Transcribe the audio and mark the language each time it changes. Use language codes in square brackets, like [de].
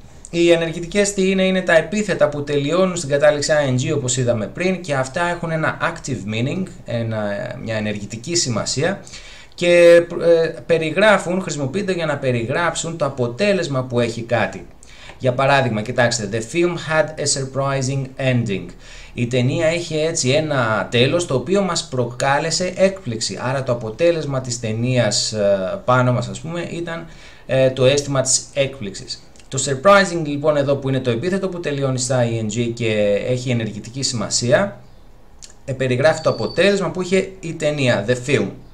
[el] Οι ενεργητικές τι είναι τα επίθετα που τελειώνουν στην κατάληξη ing, όπως είδαμε πριν, και αυτά έχουν ένα [en] active meaning, [el] μια ενεργητική σημασία, και περιγράφουν, χρησιμοποιείται για να περιγράψουν το αποτέλεσμα που έχει κάτι. Για παράδειγμα, κοιτάξτε, [en] the film had a surprising ending. [el] Η ταινία είχε έτσι ένα τέλος το οποίο μας προκάλεσε έκπληξη. Άρα το αποτέλεσμα της ταινίας πάνω μας, ας πούμε, ήταν το αίσθημα της έκπληξης. Το surprising λοιπόν εδώ που είναι το επίθετο που τελειώνει στα ing και έχει ενεργητική σημασία, περιγράφει το αποτέλεσμα που είχε η ταινία, the film.